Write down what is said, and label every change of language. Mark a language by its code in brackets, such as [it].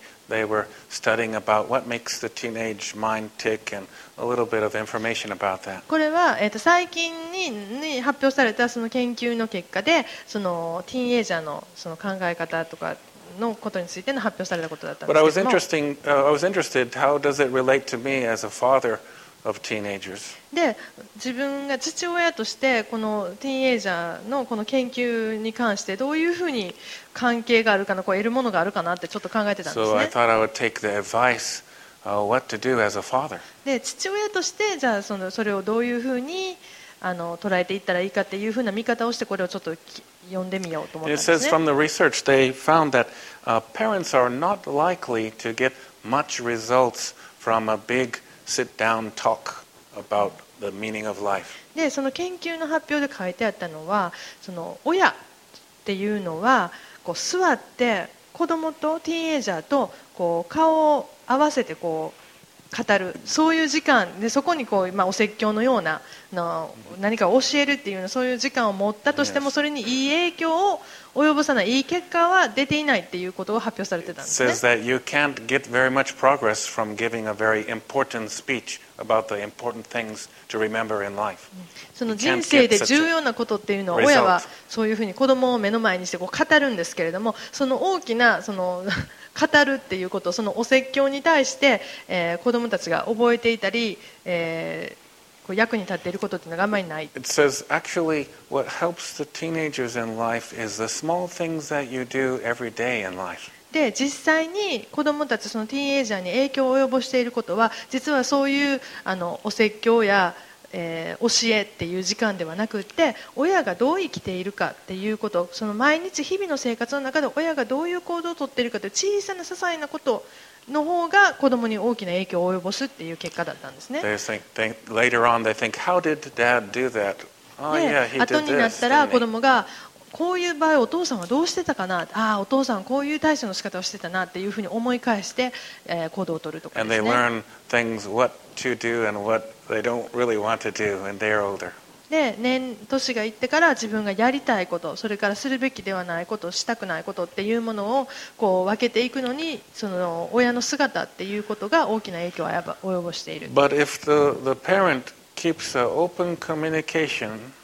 [en] They were studying about what makes the teenage mind tick and a little bit of information about that. [ja] これは最近に発表されたその研究の結果でそのティーンエイジャーのその考え方とかのことについての発表されたことだったんですけども。 [en] But I was interested. How does it relate to me as a father of teenagers? [ja] で、自分が父親としてこのティーンエイジャーのこの研究に関してどういうふうに関係があるかな、こう得るものがあるかなってちょっと考えてたんですね。 [en] So I thought I would take the advice, what to do as a father. [ja] で、父親としてじゃあそのそれをどういうふうにあの捉えていったらいいかっていうふうな見方をしてこれをちょっと。読んでみようと思ったんですね。 [en] It says from the research they found that parents are not likely to get much results from a big sit-down talk about the meaning of life. [ja] で、その研究の発表で書いてあったのは、その親っていうのはこう座って子供とティーンエイジャーとこう顔を合わせてこう語るそういう時間でそこにこう、まあ、お説教のようなの何かを教えるっていうようなそういう時間を持ったとしてもそれにいい影響を及ぼさないいい結果は出ていないっていうことを発表されてたんですね。 [en] It says that you can't get very much progress from giving a very important speech about the important things to remember in life. [ja] その人生で重要なことっていうのは親はそういうふうに子供を目の前にしてこう語るんですけれどもその大きなその語るっていうことそのお説教に対して、子供たちが覚えていたり、こう役に立っていることっていうのがあまりない。 [en] It says actually what helps the teenagers in life is the small things that you do every day in life. [ja] で実際に子供たちそのティーンエイジャーに影響を及ぼしていることは実はそういうあのお説教や、教えっていう時間ではなくって親がどう生きているかっていうことその毎日日々の生活の中で親がどういう行動をとっているかという小さな些細なことの方が子供に大きな影響を及ぼすっていう結果だったんですね。 [en] Later on, they think, how did dad do that? Oh, yeah, he did this. [ja] 後になったら子供がこういう場合お父さんはどうしてたかな。ああ、お父さんこういう対処の仕方をしてたなっていうふうに思い返して、行動を取るとかですね。 [en] And they learn things what to do and what they don't really want to do when they're older. [ja] で年年がいってから自分がやりたいことそれからするべきではないことしたくないことっていうものをこう分けていくのにその親の姿っていうことが大きな影響を及ぼしている。 [en] But if the parent keeps an open communication